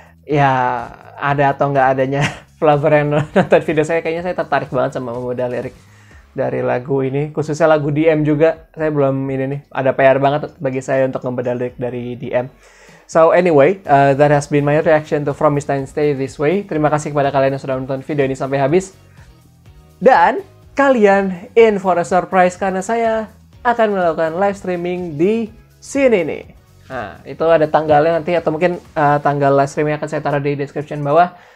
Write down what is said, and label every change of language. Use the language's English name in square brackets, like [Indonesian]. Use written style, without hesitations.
[Indonesian] Ya, ada atau nggak adanya flavor yang nonton video saya, kayaknya saya tertarik banget sama modal lirik dari lagu ini. Khususnya lagu DM juga, saya belum ini nih, ada PR banget bagi saya untuk membedah lirik dari DM. [English] So anyway, that has been my reaction to From Mr. Stay This Way. [Indonesian] Terima kasih kepada kalian yang sudah nonton video ini sampai habis. Dan kalian [English] in for a surprise [Indonesian] karena saya akan melakukan live streaming di sini nih. Nah, itu ada tanggalnya nanti atau mungkin tanggal live streaming akan saya taruh di description bawah.